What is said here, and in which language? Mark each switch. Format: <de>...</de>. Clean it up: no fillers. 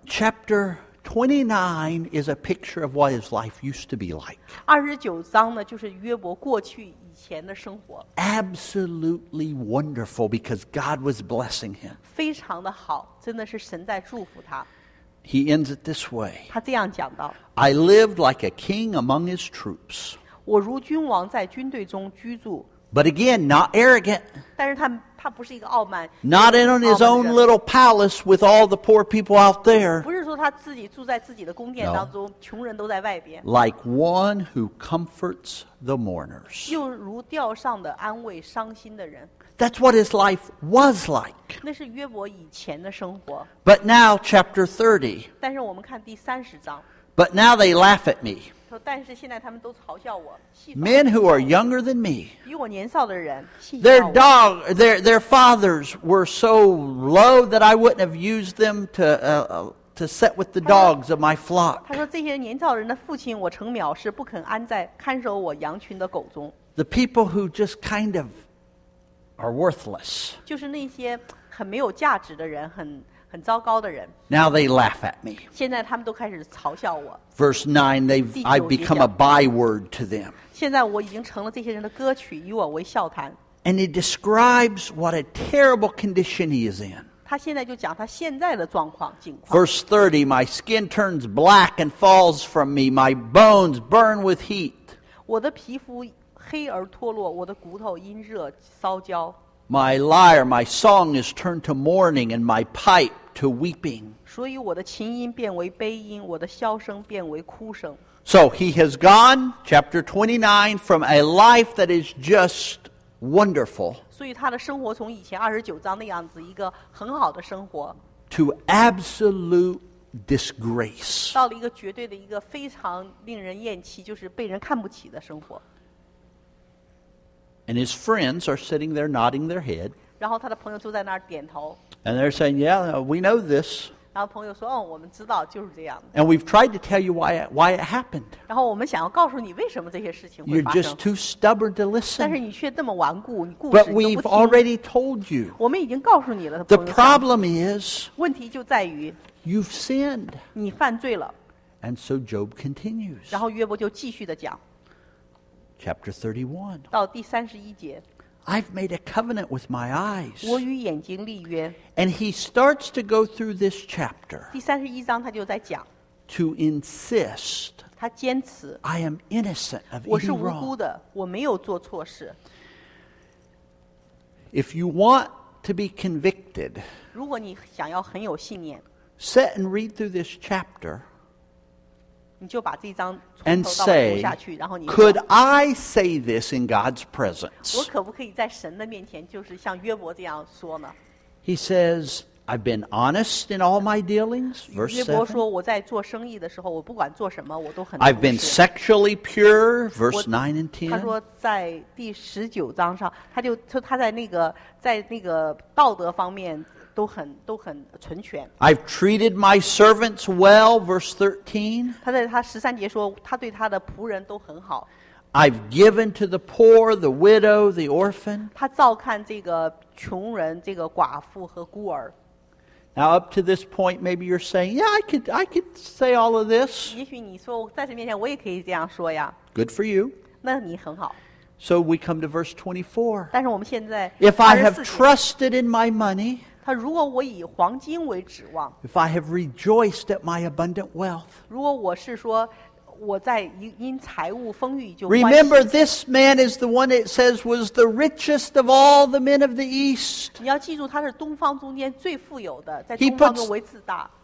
<en>Chapter 29 is a picture of what his life used to be like.</en> <zh>29章呢，就是约伯过去以前的生活。</zh> <en>Absolutely wonderful because God was blessing him.</en> <zh>非常的好，真的是神在祝福他。</zh> <en>He ends it this way.</en> <zh>他这样讲道,</zh> <en>I lived like a king among his troops.</en> <zh>我如君王在军队中居住,</zh> <en>but again, not arrogant.</en> <zh>但是他不是一个傲慢,</zh> <en>not in on his own little palace with all the poor people out there.</en> <zh>不是说他自己住在自己的宫殿当中,</zh> <en>no.</en> <zh>穷人都在外边,</zh> <en>like one who comforts the mourners.</en> <zh>又如吊上的安慰伤心的人。</zh> <en>That's what his life was like.</en> <zh>那是约伯以前的生活。</zh> <en>But now, chapter 30.</en> <zh>但是我们看第30章。</zh> <en>But now they laugh at me.</en> <zh>但是现在他们都嘲笑我。</zh> <en>Men who are younger than me.</en> <zh>比我年少的人。</zh> <en>Their fathers were so low that I wouldn't have used them to set with the dogs of my flock.</en> <zh>他说这些年少人的父亲我成藐视，不肯安在看守我羊群的狗中。</zh> <en>The people who just kind of are worthless.</en> <zh>就是那些很没有价值的人, 很糟糕的人。</zh> <en>Now they laugh at me.</en> <zh>现在他们都开始嘲笑我。</zh> <en>Verse 9, I've become a byword to them.</en> <zh>现在我已经成了这些人的歌曲, 与我为笑谈。</zh> <en>And he describes what a terrible condition he is in.</en> <zh>他现在就讲他现在的状况,</zh> <en>Verse 30, my skin turns black and falls from me, my bones burn with heat.</en> <zh>我的皮肤 黑而脱落，我的骨头因热烧焦。</zh> <en>My lyre, my song is turned to mourning, and my pipe to weeping.</en> <zh>所以我的琴音变为悲音，我的箫声变为哭声。</zh> <en>So he has gone, chapter 29, from a life that is just wonderful.</en> <zh>所以他的生活从以前29章的样子，一个很好的生活。</zh> <en>To absolute disgrace.</en> <zh>到了一个绝对的一个非常令人厌弃，就是被人看不起的生活。</zh> <en>And his friends are sitting there nodding their head.</en> <zh>然后他的朋友就在那儿点头。</zh> <en>And they're saying, yeah, we know this.</en> <zh>然后朋友说，哦，我们知道，就是这样。</zh> <en>And we've tried to tell you why it happened.</en> <zh>然后我们想要告诉你为什么这些事情会发生。</zh> <en>You're just too stubborn to listen.</en> <zh>但是你却这么顽固，你固执。</zh> <en>But we've already told you.</en> <zh>我们已经告诉你了。</zh> <en>The problem is.</en> <zh>问题就在于。</zh> <en>You've sinned.</en> <zh>你犯罪了。</zh> <en>And so Job continues.</en> <zh>然后约伯就继续的讲。</zh> <en>Chapter 31.</en> <zh>到第31节。</zh> <en>I've made a covenant with my eyes.</en> <zh>我与眼睛立约。</zh> <en>And he starts to go through this chapter.</en> <zh>第31章他就在讲。</zh> <en>To insist.</en> <zh>他坚持。</zh> <en>I am innocent of any wrong.</en> <zh>我是无辜的，我没有做错事。</zh> <en>If you want to be convicted.</en> <zh>如果你想要很有信念。</zh> <en>Sit and read through this chapter.</en> <zh>你就把这章从头到尾读下去，然后你说,</zh> <en>Could I say this in God's presence?</en> <zh>我可不可以在神的面前就是像约伯这样说呢?</zh> <en>He says, I've been honest in all my dealings. Verse 7.</en> <zh>约伯说我在做生意的时候，我不管做什么，我都很。</zh> <en>I've been sexually pure. Verse 9 and 10.</en> <zh>他说在第十九章上，他在那个道德方面。都很纯全。</zh> <en>I've treated my servants well, verse 13.</en> <zh>他在他十三节说，他对他的仆人都很好。</zh> <en>I've given to the poor, the widow, the orphan.</en> <zh>他照看这个穷人、这个寡妇和孤儿。</zh> <en>Now up to this point, maybe you're saying, "Yeah, I could say all of this."</en> <zh>也许你说在神面前我也可以这样说呀。</zh> <en>Good for you.</en> <zh>那你很好。</zh> <en>So we come to verse 24.</en> <zh>但是我们现在</zh> <en>If I have trusted in my money.</en> <zh>他如果我以黄金为指望</zh> <en>If I have rejoiced at my abundant wealth</en> <zh>如果我是说我在因财物丰裕就欢喜</zh> <en>Remember this man is the one it says was the richest of all the men of the east</en> <zh>你要记住他是东方中间最富有的在东方中为自大</zh>